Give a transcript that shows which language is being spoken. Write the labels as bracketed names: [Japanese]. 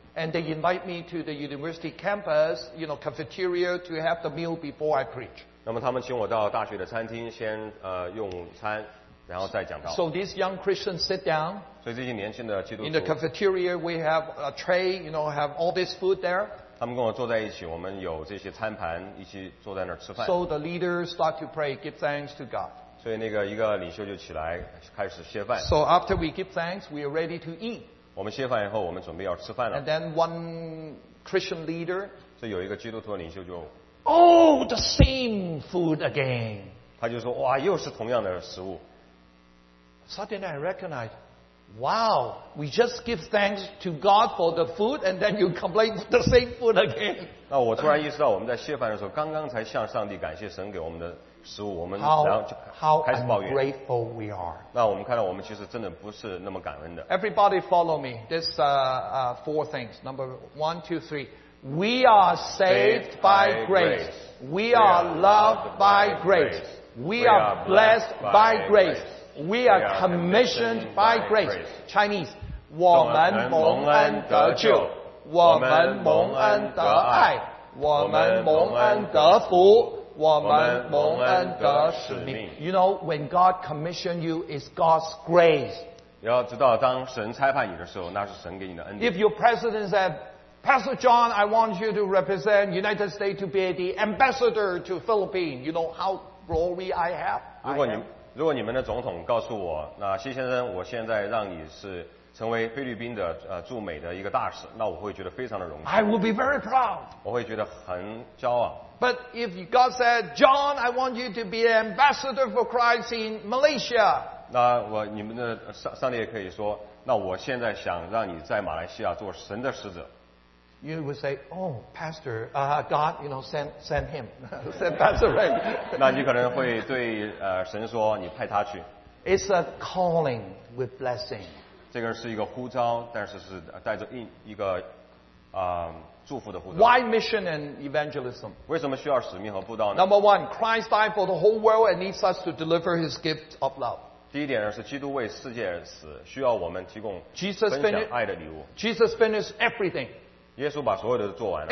[English] And they invite me to the university campus, you know, cafeteria to have the meal before I preach. [Chinese] 那么他们请我到大学的餐厅先用餐，然后再讲道。 [English] So these young Christians sit down. [Chinese] 所以这些年轻的基督徒。 [English] In the cafeteria, we have a tray, you know, have all this food there. [Chinese] 他们跟我坐在一起，我们有这些餐盘，一起坐在那儿吃饭。 [English] So the leader start to pray, give thanks to God. [Chinese] 所以那个一个领袖就起来开始谢饭。 [English] So after we give thanks, we are ready to eat. [Chinese] 我们歇饭以后，我们准备要吃饭了。 [English] And then one Christian leader, [Chinese] 所以有一个基督徒的领袖就 [English] ，Oh, the same food again. [Chinese] 他就说，哇，又是同样的食物。 [English] Suddenly I recognize, wow, we just give thanks to God for the food, and then you complain the same food again. [Chinese] 那我突然意识到，我们在歇饭的时候，刚刚才向上帝感谢神给我们的食物，我们然后就开始抱怨。 [English] How ungrateful we are. [Chinese] 那我们看到我们其实真的不是那么感恩的。 [English] Everybody follow me. This four things. Number one, two, three. We are saved by grace. We are loved by grace. We are blessed by grace. We are commissioned by grace. Chinese. [Chinese] 我们蒙恩得救。我们蒙恩得爱。我们蒙恩得福。我们蒙恩得使命。 [English] You know, when God commissioned you, it's God's grace. [Chinese] 你要知道，当神差派你的时候，那是神给你的恩典。 [English] If your president said, Pastor John, I want you to represent United States to be the ambassador to Philippines, you know how glory I have? [Chinese] 如果你如果你们的总统告诉我，那谢先生，我现在让你是成为菲律宾的驻美的一个大使，那我会觉得非常的荣幸。 [English] I will be very proud. [Chinese] 我会觉得很骄傲。 [English] But if God said, John, I want you to be an ambassador for Christ in Malaysia. [Chinese] 那我你们的上帝也可以说，那我现在想让你在马来西亚做神的使者。 [English] You would say, oh, Pastor, God, you know, send him. Send Pastor Ray. [Chinese] 那你可能会对神说，你派他去。 [English] It's a calling with blessing. [Chinese] 这个是一个呼召，但是是带着一个祝福的呼召。 [English] Why mission and evangelism? [Chinese] 为什么需要使命和布道呢？ [English] Number one, Christ died for the whole world and needs us to deliver his gift of love. [Chinese] 第一点呢，是基督为世界而死，需要我们提供分享爱的礼物。 [English] Jesus finished everything. [Chinese] 耶稣把所有的都做完了